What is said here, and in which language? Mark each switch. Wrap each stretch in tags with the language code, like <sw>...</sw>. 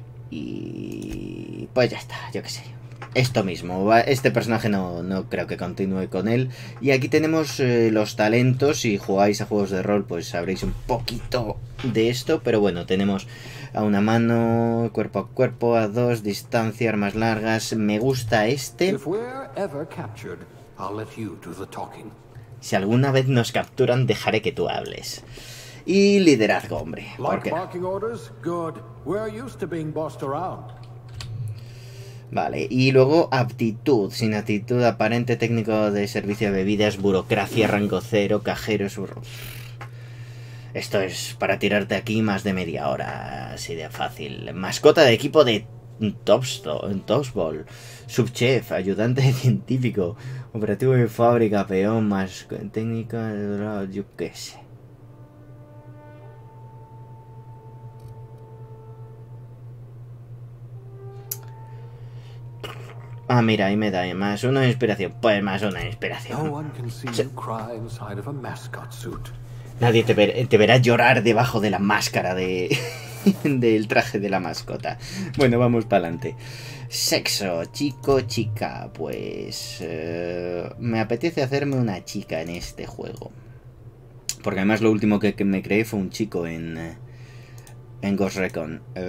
<es>Y pues ya está, yo qué sé. Esto mismo, este personaje no creo que continúe con él. Y aquí tenemos los talentos. Si jugáis a juegos de rol, pues sabréis un poquito de esto. Pero bueno, tenemos a una mano, cuerpo a cuerpo, a dos, distancia, armas largas. Me gusta este.</es> <en>If we're ever captured, I'll let you do the talking.</en> <es>Si alguna vez nos capturan, dejaré que tú hables. Y liderazgo, hombre, ¿por</es> <en>Like</en> <es>qué no?</es> <en>barking orders? Good. We're used to being bossed around.</en> <es>Vale, y luego aptitud, sin aptitud aparente, técnico de servicio de bebidas, burocracia, rango 0, cajero, surro. Esto es para tirarte aquí más de media hora, así de fácil. Mascota de equipo de Topsball, subchef, ayudante de científico, operativo de fábrica, peón, más técnica de yo qué sé. Ah, mira, ahí me da más uno de inspiración. Pues más uno de</es> <en>No</en> <es>inspiración.</es> <en>one can see you cry inside of a mascot suit.</en> <es>Nadie te verá llorar debajo de la máscara de del traje de la mascota. Bueno, vamos para adelante. Sexo, chico, chica. Pues me apetece hacerme una chica en este juego. Porque además lo último que me creé fue un chico en Ghost Recon.</es>